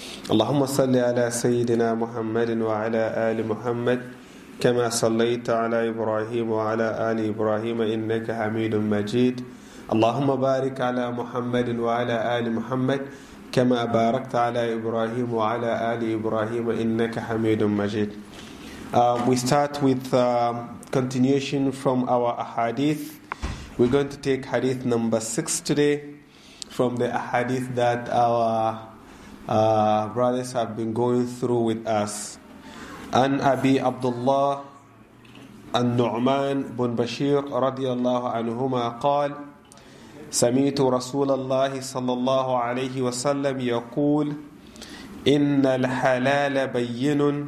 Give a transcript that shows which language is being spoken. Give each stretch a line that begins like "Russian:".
Arabic: اللهم صل على سيدنا محمد وعلى ال محمد كما صليت على ابراهيم وعلى ال ابراهيم انك حميد مجيد اللهم بارك على محمد وعلى ال محمد كما باركت على ابراهيم وعلى ال ابراهيم انك حميد مجيد
English: we start with continuation from our ahadith. We're going to take hadith number 6 today from the ahadith that our brothers have been going through with us.
Arabic: عن أبي عبد الله النعمان بن بشير رضي الله عنهما قال سمعت رسول الله صلى الله عليه وسلم يقول إن الحلال بين